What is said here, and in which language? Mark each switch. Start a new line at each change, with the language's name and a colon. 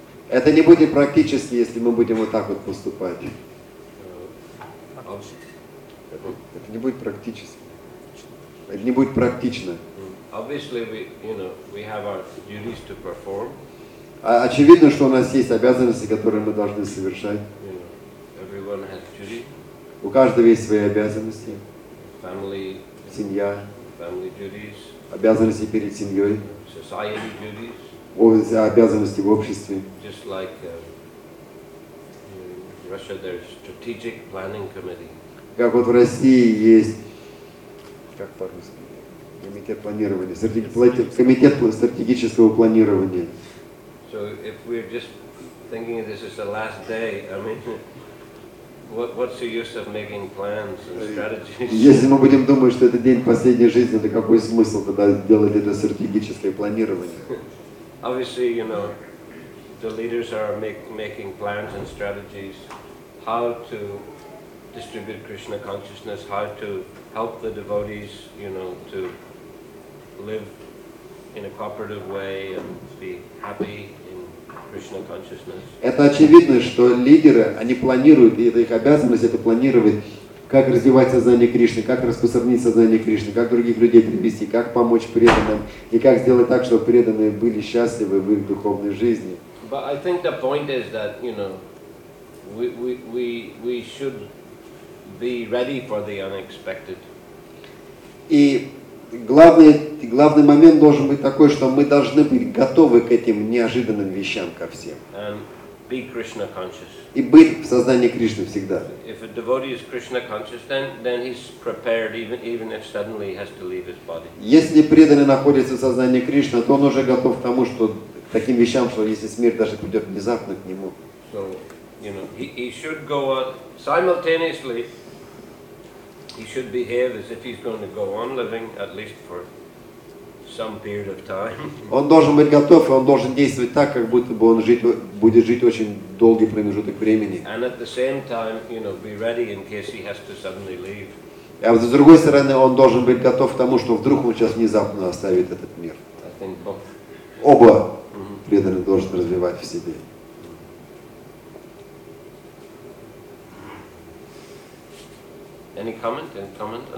Russian: Это не будет практически, если мы будем вот так вот поступать. Это не будет практически. Это не будет практично.
English: Obviously, we have our duties to perform.
Russian: Очевидно, что у нас есть обязанности, которые мы должны совершать.
English: Everyone has duty.
Russian: У каждого есть свои обязанности.
English: Family.
Russian: Семья.
English: Family duties.
Russian: Обязанности перед семьей.
English: Society duties.
Russian: Обязанности в обществе.
English: Just like in Russia, there's strategic planning committee.
Russian: Как вот в России есть, как по-русски, комитет планирования, комитет стратегического планирования.
English: So if we're just thinking this is the last day, what's the use of making plans and strategies?
Russian: Если мы будем думать, что это день последней жизни, то какой смысл тогда делать это стратегическое планирование?
English: Obviously, the leaders are making plans and strategies how to distribute Krishna consciousness, how to help the devotees, to live in a cooperative way and be happy in Krishna consciousness.
Russian: Это очевидно, что лидеры, они планируют, и это их обязанность, это планировать, как развивать сознание Кришны, как распространить сознание Кришны, как других людей привести, как помочь преданным, и как сделать так, чтобы преданные были счастливы в их духовной жизни.
English: But I think the point is that, we should be ready for the unexpected.
Russian: И главный момент должен быть такой, что мы должны быть готовы к этим неожиданным вещам ко всем.
English: And be Krishna conscious.
Russian: И быть в сознании Кришны всегда.
English: If a devotee is Krishna conscious, then he's prepared even if suddenly he has to leave his body.
Russian: Если преданный находится в сознании Кришны, то он уже готов к тому, что к таким вещам, что если смерть даже придет внезапно к нему.
English: So, you know, he should go out simultaneously. He should behave as if he's going to go on living at least for some period of time.
Russian: Он должен быть готов, он должен действовать так, как будто бы он будет жить очень долгий промежуток времени.
English: And at the same time, you know, be ready in case he has to suddenly leave.
Russian: А с другой стороны, он должен быть готов к тому, что вдруг он сейчас внезапно оставит этот мир.
English: I think both.
Russian: Оба преданные должны развивать в себе.
English: Any comment? Any comment?